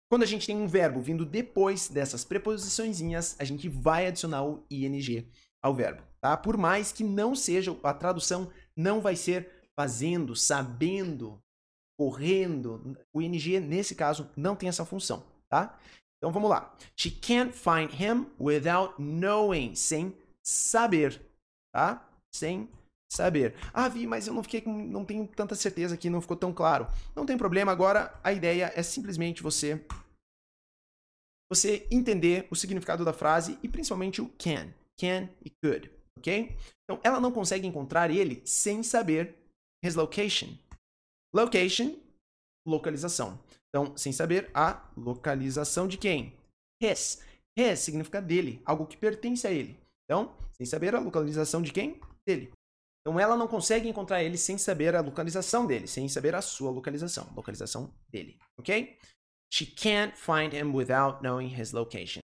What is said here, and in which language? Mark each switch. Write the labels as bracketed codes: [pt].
[pt] Quando a gente tem um verbo vindo depois dessas preposiçõezinhas, a gente vai adicionar o ing ao verbo, tá? Por mais que não seja, a tradução não vai ser fazendo, sabendo, correndo. O ing, nesse caso, não tem essa função, tá? Então vamos lá. [en] She can't find him without knowing, [pt] sem saber, tá? Sem saber. Ah, Vi, mas eu não fiquei, não tenho tanta certeza aqui, não ficou tão claro. Não tem problema, agora a ideia é simplesmente você entender o significado da frase e principalmente o can e could, ok? Então, ela não consegue encontrar ele sem saber his location. Location, localização. Então, sem saber a localização de quem? His. His significa dele, algo que pertence a ele. Então, sem saber a localização de quem? Dele. Então, ela não consegue encontrar ele sem saber a localização dele, sem saber a sua localização, localização dele, ok? [en] She can't find him without knowing his location.